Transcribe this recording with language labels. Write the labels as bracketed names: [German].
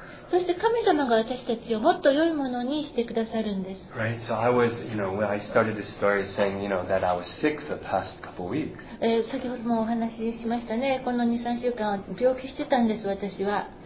[Japanese] そして神様が私たちをもっと良いものにしてくださるんです。 [English] Right, so I was, you know, when I started this story saying, you know, that I was sick the past couple weeks. [Japanese] 先ほどもお話ししましたね。この 2,3 週間は病気してたんです、私は。